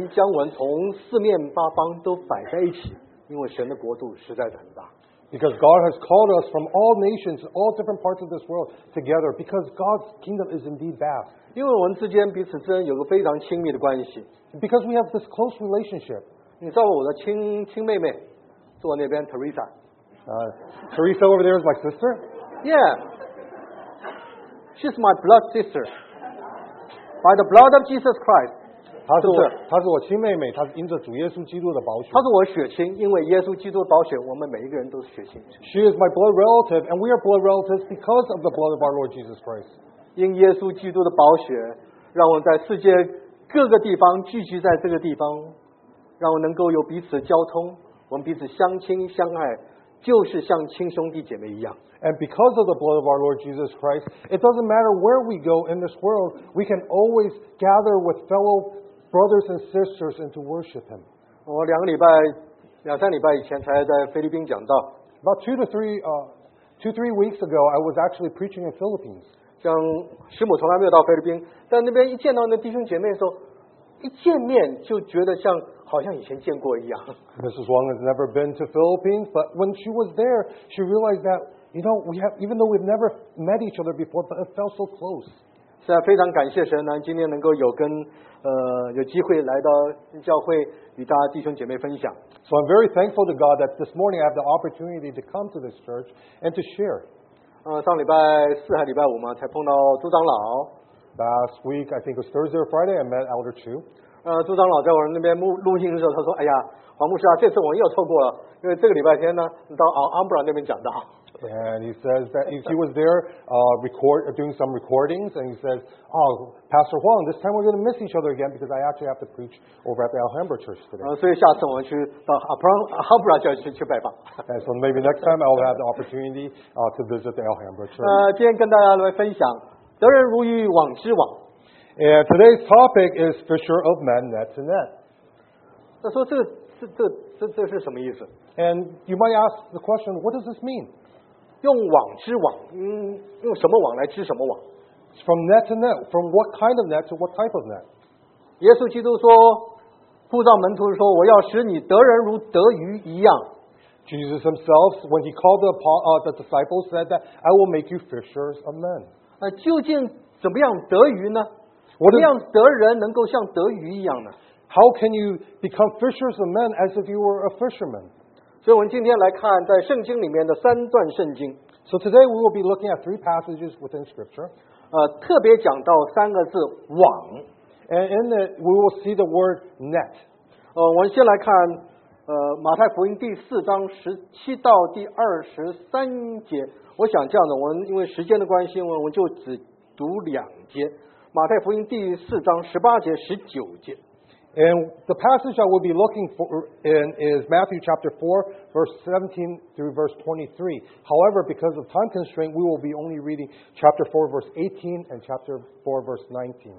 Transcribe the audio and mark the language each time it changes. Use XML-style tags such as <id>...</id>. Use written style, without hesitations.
<zh>神将我们从四面八方都摆在一起，因为神的国度实在是很大。</zh> <en>Because God has called us from all nations, all different parts of this world together, because God's kingdom is indeed vast.</en> <zh>因为我们之间彼此之间有个非常亲密的关系。</zh> <en>Because we have this close relationship.</en> <zh>你知道我的亲妹妹坐那边 Teresa.</zh> <en>Teresa over there is my sister. Yeah. She's my blood sister. By the blood of Jesus Christ,</en> <zh>她是我亲妹妹，她是因着主耶稣基督的宝血。她是我血亲，因为耶稣基督的宝血，我们每一个人都是血亲。</zh> <en>She is my blood relative, and we are blood relatives because of the blood of our Lord Jesus Christ.</en> <zh>因耶稣基督的宝血，让我在世界各个地方聚集在这个地方，让我能够有彼此交通，我们彼此相亲相爱。就是像亲兄弟姐妹一样。</zh> <en>And because of the blood of our Lord Jesus Christ, it doesn't matter where we go in this world, we can always gather with fellow brothers and sisters and to worship Him.</en> <zh>我两三礼拜以前才在菲律宾讲道。</zh> <en>About two, three weeks ago, I was actually preaching in Philippines.</en> <zh>像师母从来没有到菲律宾，但那边一见到那弟兄姐妹的时候，一见面就觉得像。好像以前见过一样。</zh> <en>Mrs. Wang has never been to Philippines, but when she was there, she realized that, you know, we have, even though we've never met each other before, but it felt so close.</en> <zh>是啊，非常感谢神呢，今天能够有机会来到教会与大家弟兄姐妹分享。</zh> <en>So I'm very thankful to God that this morning I have the opportunity to come to this church and to share.</en> <zh>上礼拜四还礼拜五嘛，才碰到朱长老。</zh> <en>Last week, I think it was Thursday or Friday, I met Elder Chu.</en> <zh>朱长老在我那边录音的时候，他说：“哎呀，黄牧师啊，这次我又错过了，因为这个礼拜天呢，你到Umbra那边讲道。”</zh> <en>And he says that he was there, doing some recordings, and he says, "Oh, Pastor Huang, this time we're going to miss each other again because I actually have to preach over at the Alhambra Church today."</en> <zh>所以下次我去到Umbra就去拜访。</zh> <en>And so maybe next time I'll have the opportunity, to visit the Alhambra Church.</en> <zh>今天跟大家来分享，得人如鱼网之网。</zh> <en>And today's topic is Fisher of Men, Net to Net.</en> <zh>那说这是什么意思？</zh> <en>And you might ask the question, what does this mean?</en> <zh>用网织网，用什么网来织什么网？</zh> <en>From net to net, from what kind of net to what type of net?</en> <zh>耶稣基督说，呼召门徒说，我要使你得人如得鱼一样。</zh> <en>Jesus himself, when he called the disciples, said that I will make you fishers of men.</en> <zh>究竟怎么样得鱼呢？怎么样得人能够像得鱼一样呢？</zh> <en>How can you become fishers of men as if you were a fisherman?</en> <zh>所以我们今天来看在圣经里面的三段圣经。</zh> <en>So today we will be looking at three passages within scripture.</en> <zh>特别讲到三个字网。</zh> <en>And in it we will see the word net.</en> <zh>我们先来看马太福音第四章十七到第二十三节。我想这样的，我们因为时间的关系，我们就只读两节。马太福音第四章十八节、十九节。</zh> <en>And the passage I will be looking for in is Matthew chapter 4, verse 17 through verse 23. However, because of time constraint, we will be only reading chapter 4, verse 18 and chapter 4, verse 19.</en>